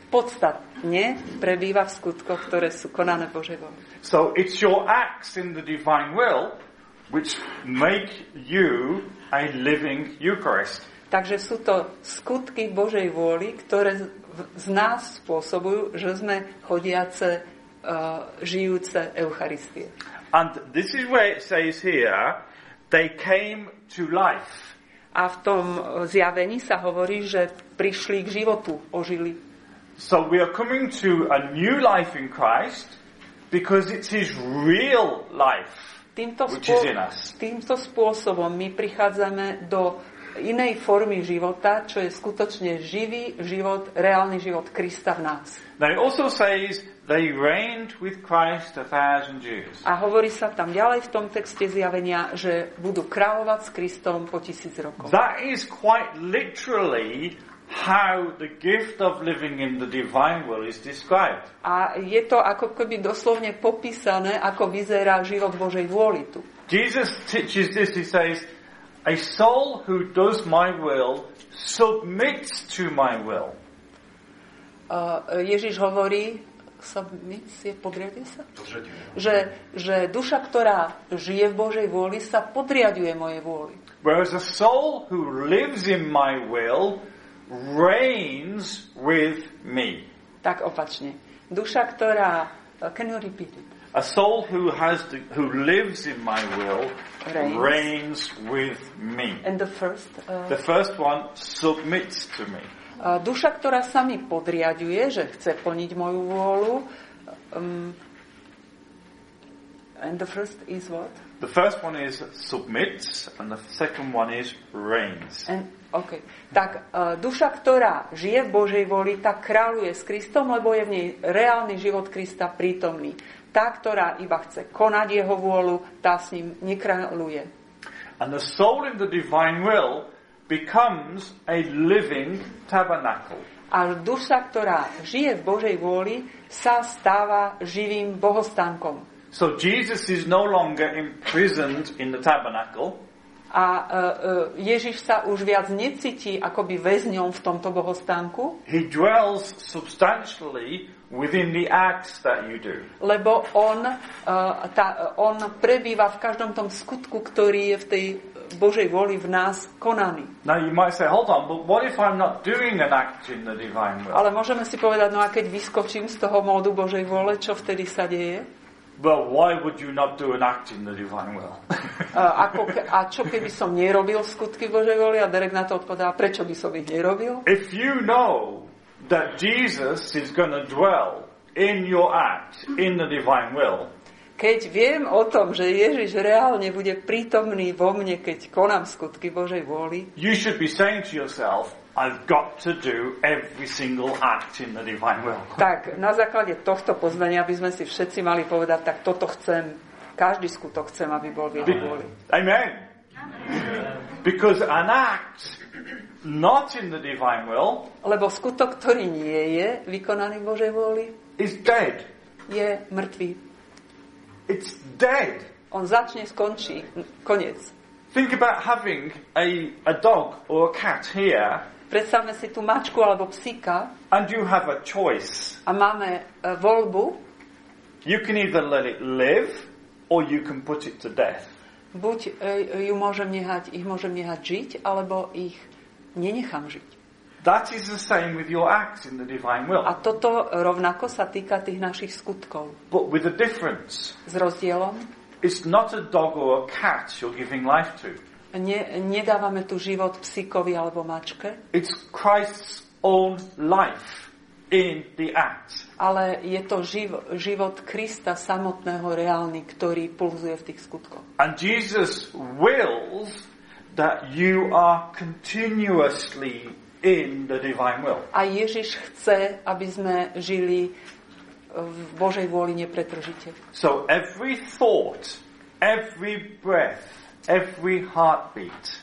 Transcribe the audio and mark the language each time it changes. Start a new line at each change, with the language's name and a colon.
Slovak: Podstatne prebýva v skutkoch, ktoré sú konané Božej vôli.
English: So it's your acts in the divine will which make you a living Eucharist.
Slovak: Takže sú to skutky Božej vôli, ktoré z nás spôsobujú, že sme chodiace žijúce Eucharistie.
English: And this is where it says here, they came to life.
Slovak: A v tom zjavení sa hovorí, že prišli k životu, ožili.
English: So we are coming to a new life in Christ because it's his real life.
Slovak: Týmto spôsobom my prichádzame do inej formy života, čo je skutočne živý život, reálny život Krista v nás.
English: Now it also says they reigned with Christ 1,000 years.
Slovak: A hovorí sa tam ďalej v tom texte zjavenia, že budú kráľovať s Kristom po 1,000 rokov.
English: That is quite literally how the gift of living in the divine will is described.
Slovak: A je to ako keby doslovne popísané, ako vyzerá život Božej vôli tu.
English: Jesus teaches this, he says, a soul who does my will submits to my will.
Slovak: Ježiš hovorí, submits je podriadie sa? Že duša, ktorá žije v Božej vôli, sa podriaduje mojej vôli.
English: Whereas a soul who lives in my will reigns with me.
Slovak: Tak opačne. Duša, ktorá...
English: Can you repeat it? A soul who lives in my will reigns with me. And the first... The first one submits to me.
Slovak: Duša, ktorá sa mi podriaduje, že chce plniť moju vôľu...
English: And the first is what? The first one is submits and the second one is reigns. And okay.
Slovak: Tak duša, ktorá žije v Božej vôli, tá kráľuje s Kristom, lebo je v nej reálny život Krista prítomný. Tá, ktorá iba chce konať jeho vôľu, tá s ním nekráľuje.
English: And the soul in the divine will becomes a living tabernacle.
Slovak: A duša, ktorá žije v Božej vôli, sa stáva živým bohostánkom.
English: So Jesus is no longer imprisoned in the tabernacle.
Slovak: A Ježiš sa už viac necíti akoby väzňom v tomto bohostánku.
English: He dwells substantially within the acts that you do.
Slovak: Lebo on, on prebýva v každom tom skutku, ktorý je v tej Božej vôli v nás konaný.
English: Now you might say, hold on, but what if I'm not doing an act in the divine will?
Slovak: Ale môžeme si povedať, no a keď vyskočím z toho módu Božej vôle, čo vtedy sa deje?
English: Well, why would you not do an act in the divine will?
Slovak: A čo keby som nerobil skutky Božej vôli? A Derek na to odpovedá, prečo by som ich nerobil?
English: If you know that Jesus is going to dwell in your act in the divine will.
Slovak: Keď viem o tom, že Ježiš reálne bude prítomný vo mne, keď konám skutky Božej vôli.
English: You should be saying to yourself, I've got to do every single act in the divine will.
Slovak: Tak, na základe tohto poznania by sme si všetci mali povedať, tak toto chcem, každý skutok chcem, aby bol v jeho vôli.
English: Amen. Because an act not in the divine will,
Slovak: lebo skutok, ktorý nie je vykonaný v Božej vôli,
English: is dead.
Slovak: Je mŕtvý.
English: It's dead.
Slovak: On začne, skončí, koniec.
English: Think about having a dog or a cat here.
Slovak: Predstavme si tú mačku alebo psíka.
English: And you have a choice.
Slovak: A máme voľbu.
English: You can either let it live or you can put it to death.
Slovak: Buď ju môžem nehať, ich môžem nehať žiť, alebo ich nenechám žiť.
English: That is the same with your acts in the divine will.
Slovak: A toto rovnako sa týka tých našich skutkov.
English: But with a difference.
Slovak: S rozdielom.
English: It's not a dog or a cat you're giving life to.
Slovak: Nedávame tu život psíkovi alebo mačke.
English: It's Christ's own life in the act.
Slovak: Ale je to život Krista samotného reálny, ktorý pulzuje v tých skutkoch.
English: And Jesus wills that you are continuously in the divine will.
Slovak: A Ježiš chce, aby sme žili v Božej vôli nepretržite.
English: So every thought, every breath, every heartbeat.